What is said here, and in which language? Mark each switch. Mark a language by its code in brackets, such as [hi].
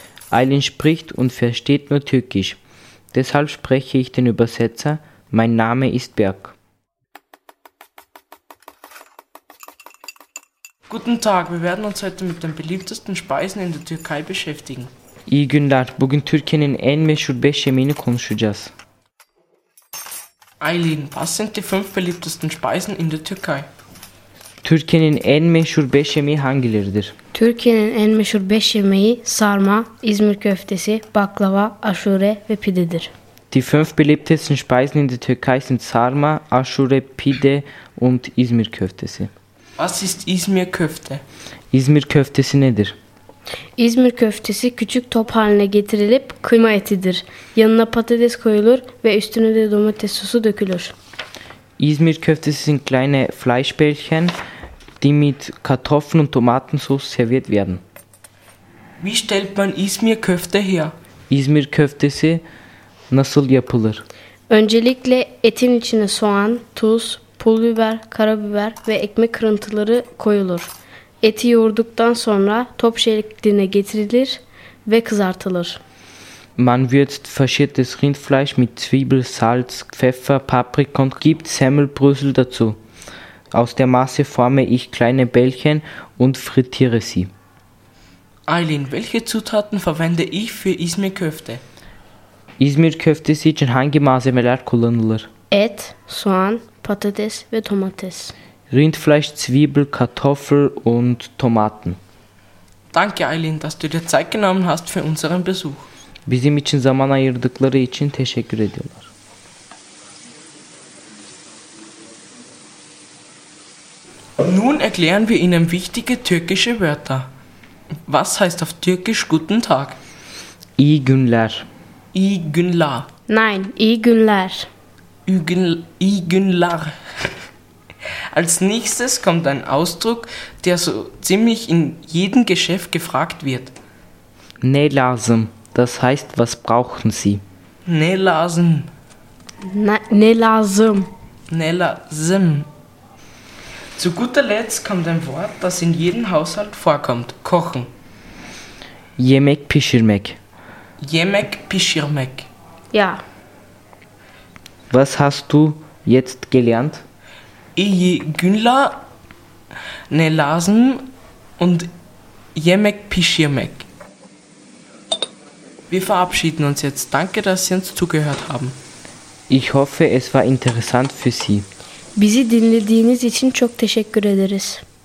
[de] Aylin spricht und versteht nur Türkisch. Deshalb spreche ich den Übersetzer. Mein Name ist Berg. Guten Tag, wir werden uns heute mit den beliebtesten Speisen in der Türkei beschäftigen. [tr] İyi günler. Bugün Türkiye'nin en meşhur 5 yemeğini konuşacağız. [de] Aylin, was sind die 5 beliebtesten Speisen in der Türkei? [tr] Türkiye'nin en meşhur 5 yemeği hangileridir? Türkiye'nin en meşhur 5 yemeği sarma, İzmir köftesi, baklava, aşure ve pidedir. [de] Die 5 beliebtesten Speisen in der Türkei sind sarma, aşure, pide und İzmir köftesi. Was ist İzmir köfte? [tr] İzmir köftesi nedir? İzmir köftesi küçük top haline getirilip kıyma etidir. Yanına patates koyulur ve üstüne de domates sosu dökülür. [de] İzmir köftesi sind kleine Fleischbällchen, die mit Kartoffeln und Tomatensauce serviert werden. Wie stellt man İzmir köfte her? [tr] İzmir köftesi nasıl yapılır? Öncelikle etin içine soğan, tuz, pul biber, karabiber ve ekmek kırıntıları koyulur. Eti yoğurduktan sonra top şekline getirilir ve kızartılır. [de] Man würzt verschiertes Rindfleisch mit Zwiebel, Salz, Pfeffer, Paprika und gibt Semmelbrösel dazu. Aus der Masse forme ich kleine Bällchen und frittiere sie. Aylin, welche Zutaten verwende ich für İzmir Köfte? [tr] İzmir Köftesi için hangi malzemeler kullanılır? Et, soğan, patates ve domates. [de] Rindfleisch, Zwiebel, Kartoffel und Tomaten. Danke Aylin, dass du dir Zeit genommen hast für unseren Besuch. [tr] Bizim için zaman ayırdıkları için teşekkür ediyorlar. [de] Nun erklären wir Ihnen wichtige türkische Wörter. Was heißt auf Türkisch guten Tag? [tr] İyi günler. İyi günler. [de] Nein, [tr] iyi günler. İyi günler. [de] Als nächstes kommt ein Ausdruck, der so ziemlich in jedem Geschäft gefragt wird. [tr] Ne lazım, [de] das heißt, was brauchen Sie? [tr] Ne lazım. Ne lazım. Ne lazım. [de] Zu guter Letzt kommt ein Wort, das in jedem Haushalt vorkommt, kochen. [tr] Yemek pişirmek. Yemek pişirmek. [de] Ja. Was hast du jetzt gelernt? [tr] İyi günler, ne lazım [de] und [tr] yemek pişirmek. [de] Wir verabschieden uns jetzt. Danke, dass Sie uns zugehört haben. Ich hoffe, es war interessant für Sie. [tr] Bizi dinlediğiniz için çok teşekkür ederiz.